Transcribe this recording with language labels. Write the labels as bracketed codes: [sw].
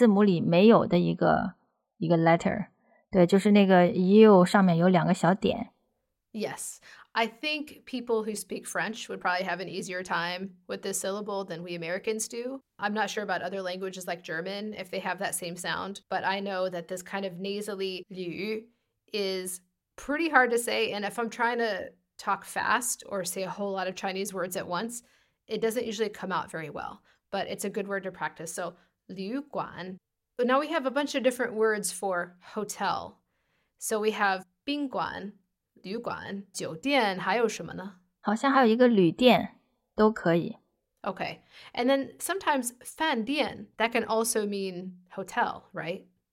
[zh] 对对对，这个是好像是在拼音里面唯一的一个在英文字母里没有的一个letter. 对，就是那个U上面有两个小点。 [en] Yes, I think people who speak French would probably have an easier time with this syllable than we Americans do. I'm not sure about other languages like German, if they have that same sound, but I know that this kind of nasally 旅 is pretty hard to say, and if I'm trying to talk fast or say a whole lot of Chinese words at once, it doesn't usually come out very well, but it's a good word to practice. So, 旅馆.But now we have a bunch of different words for hotel. So we have [zh] 宾馆, 旅馆, 酒店, 还有什么呢? 好像还有一个旅店, 都可以. [en] Okay, and then sometimes 饭店, that can also mean hotel, right?